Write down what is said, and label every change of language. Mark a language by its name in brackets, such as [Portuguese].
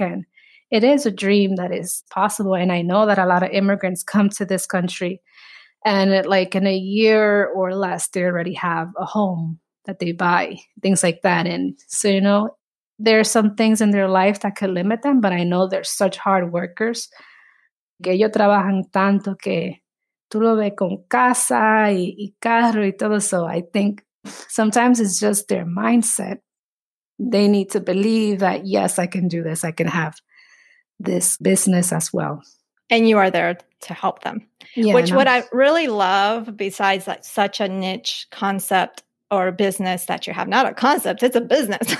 [English] And it is a dream that is possible. And I know that a lot of immigrants come to this country and in a year or less, they already have a home that they buy, things like that. And so, you know, there are some things in their life that could limit them, but I know they're such hard workers. [Spanish] Que ellos trabajan tanto que tú lo ves con casa y carro y todo. [English] So I think sometimes it's just their mindset. They need to believe that, yes, I can do this. I can have this business as well. And you are there to help them. Yeah, which what I really love, besides that, such a niche concept or business that you have, not a concept, it's a business.